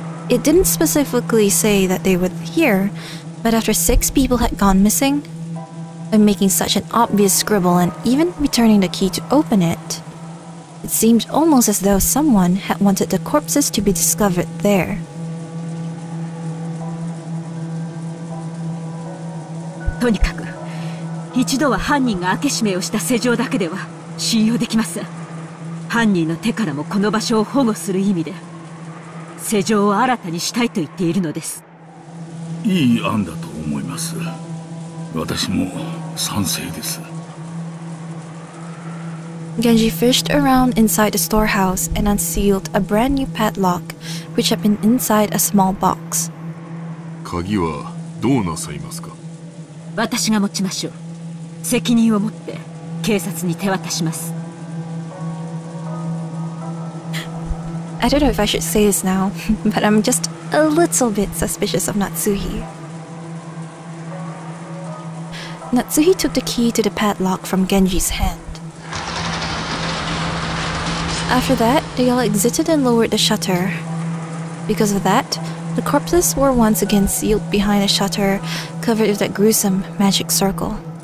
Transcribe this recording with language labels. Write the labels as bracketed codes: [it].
[en] It didn't specifically say that they were here, but after six people had gone missing, by making such an obvious scribble and even returning the key to open it, it seemed almost as though someone had wanted the corpses to be discovered there. [ja] とにかく、一度は犯人が開け閉めをした施錠だけでは信用できません。犯人の手からもこの場所を保護する意味で施錠を新たにしたいと言っているのです。いい案だと思います。私も賛成です。 [en] Genji fished around inside the storehouse and unsealed a brand new padlock which had been inside a small box. [ja] 鍵はどうなさいますか。私が持ちましょう。責任を持って警察に手渡します。 [en] I don't know if I should say this now, but I'm just a little bit suspicious of Natsuhi. Natsuhi took the key to the padlock from Genji's hand. After that, they all exited and lowered the shutter. Because of that, the corpses were once again sealed behind a shutter covered with that gruesome magic circle.